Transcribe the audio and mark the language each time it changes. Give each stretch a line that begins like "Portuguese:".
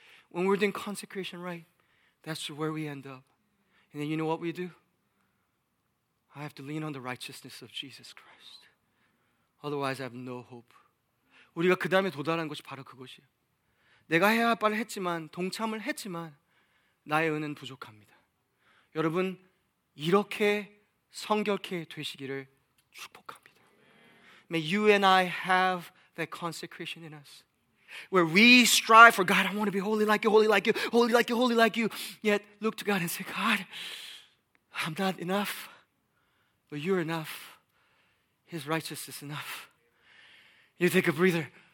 English: When we're doing consecration right, that's where we end up. And then you know what we do? I have to lean on the righteousness of Jesus Christ. Otherwise, I have no hope.
Korean: 우리가 그 다음에 도달한 것이 바로 그것이에요. 내가 해야 할 바를 했지만, 동참을 했지만 나의 은은 부족합니다. 여러분, 이렇게 성결케 되시기를 축복합니다.
English: May you and I have that consecration in us. Where we strive for God, I want to be holy like you, holy like you, holy like you, holy like you. Yet look to God and say, God, I'm not enough. But you're enough. His righteousness is enough. You take a breather.